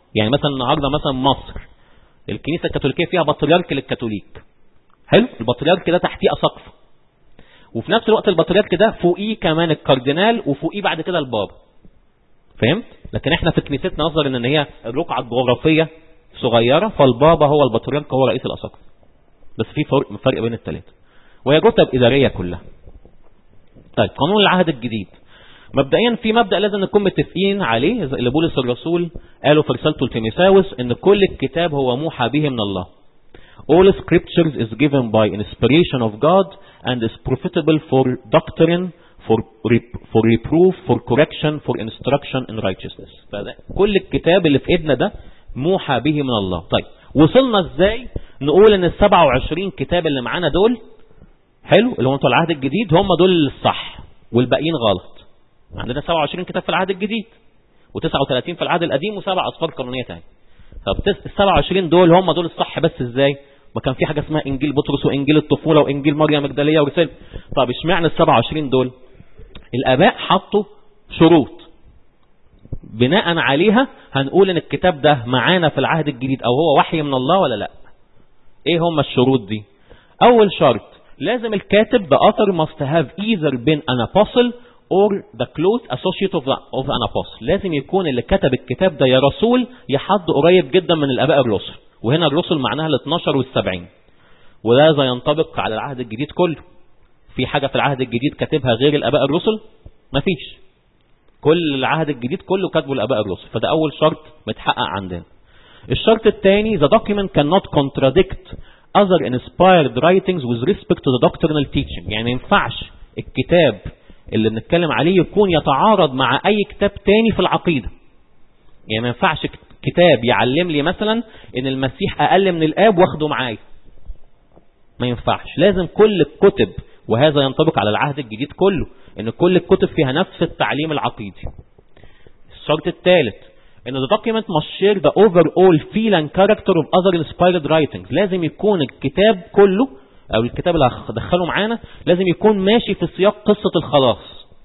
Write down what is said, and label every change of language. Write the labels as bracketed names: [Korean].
[Arabic] يعني مثلا النهارده مثلا مصر الكنيسه الكاثوليكيه فيها بطريرك للكاثوليك، حلو، البطريرك ده تحتيه اساقفه، وفي نفس الوقت البطريرك ده فوقيه كمان الكاردينال وفوقيه بعد كده البابا، فهمت؟ لكن احنا في كنيستنا نظرا ان هي الرقعه الجغرافيه صغيره، فالبابا هو البطريرك هو رئيس الاساقفه، بس في فرق بين الثلاثه وهي كتب اداريه كلها. طيب قانون العهد الجديد، مبدئيا في مبدا لازم نكون متفقين عليه اللي بولس الرسول قاله في رسالته لتيموثاوس، ان كل الكتاب هو موحى به من الله. [English] All scriptures is given by inspiration of God and is profitable for doctrine, for reproof, for correction, for instruction in righteousness. [Arabic] كل الكتاب اللي في ايدنا ده موحى به من الله. طيب وصلنا ازاي نقول ان ال 27 كتاب اللي معانا دول حلو اللي هو انتوا العهد الجديد هم دول الصح والباقيين غلط؟ عندنا 27 كتاب في العهد الجديد و39 في العهد القديم وسبع اصفار قرنيه ثاني. طب ال 27 دول هم دول الصح بس ازاي؟ ما كان في حاجه اسمها انجيل بطرس وانجيل الطفوله وانجيل مريم المجدليه ورسل. طب اشمعنى ال 27 دول؟ الاباء حطوا شروط بناء عليها هنقول ان الكتاب ده معانا في العهد الجديد او هو وحي من الله ولا لا. ايه هم الشروط دي؟ اول شرط، لازم الكاتب بأثر [English] must have either been an apostle or the close associate of an apostle. [Arabic] لازم يكون اللي كتب الكتاب ده يا رسول يا حد قريب جدا من الاباء الرسل، وهنا الرسل معناها الاثناشر والسبعين، وده ينطبق على العهد الجديد كله. في حاجة في العهد الجديد كتبها غير الاباء الرسل؟ مفيش، كل العهد الجديد كله كتبه الاباء الرسل. فده اول شرط متحقق عندنا. الشرط الثاني، [English] the document cannot contradict other inspired writings with respect to the doctrinal teaching. [Arabic] يعني ينفعش الكتاب اللي نتكلم عليه يكون يتعارض مع اي كتاب تاني في العقيدة. يعني ينفعش كتاب يعلم لي مثلا ان المسيح اقل من الاب واخده معاي، ما ينفعش. لازم كل الكتب، وهذا ينطبق على العهد الجديد كله، ان كل الكتب فيها نفس التعليم العقيدي. الشرط الثالث، ان [English] the document must share the overall feel and character of other inspired writings. [Arabic] لازم يكون الكتاب كله او الكتاب اللي هدخله معانا لازم يكون ماشي في سياق قصة الخلاص.